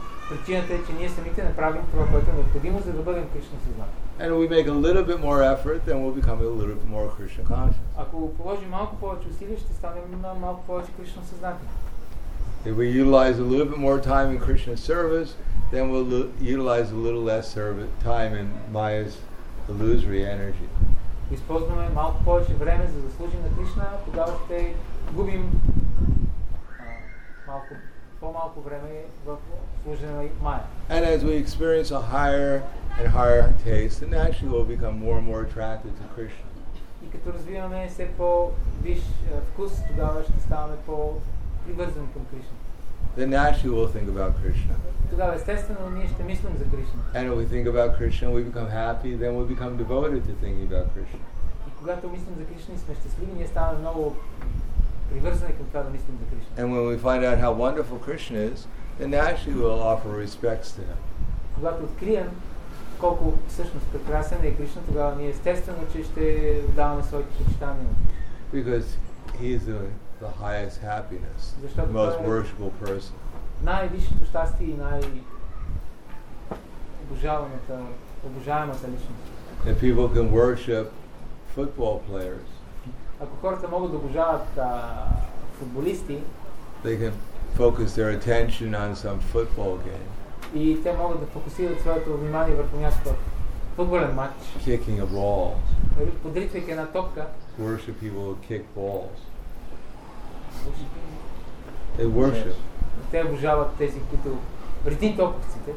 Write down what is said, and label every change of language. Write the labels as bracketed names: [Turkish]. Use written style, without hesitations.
[English] And if we make a little bit more effort, then we'll become a little bit more Krishna conscious. If we utilize a little bit more time in Krishna service, then we'll utilize a little less service time in Maya's illusory energy. [Bulgarian] Използваме малко повече време за заслужим на Кришна, тогава ще губим малко по-малко време в служене на Майя. [English] And as we experience a higher and higher taste, then actually we'll become more and more attracted to Krishna. [Bulgarian] И като развиваме все по-виш вкус, тогава ще ставаме по-привързани към Кришна. [English] Then naturally we'll think about Krishna. [Bulgarian] Тогава естествено ние ще мислим за Кришна. [English] And when we think about Krishna, we become happy, then we become devoted to thinking about Krishna. [Bulgarian] И когато мислим за Кришна и сме щастливи, ние ставаме много привързани към това да мислим за Кришна. [English] And when we find out how wonderful Krishna is, then naturally we'll offer respects to him. [Bulgarian] Когато открием колко всъщност прекрасен е Кришна, тогава ние естествено че ще даваме своите почитания. [English] Because he is the highest happiness, [Bulgarian] защото [English] the most worshipful person. [Bulgarian] Най-висшето щастие и най-обожаваната, обожаемата личност. [English] If people can worship football players, [Bulgarian] ако хората могат да обожават футболисти, [English] they can focus their attention on some football game. [Bulgarian] И те могат да фокусират своето внимание върху някакъв футболен матч. [English] Kicking a ball. [Bulgarian] Подритвайки една топка. [English] Worship people who kick balls. They worship. [Bulgarian] Те обожават тези, които ритим топовците.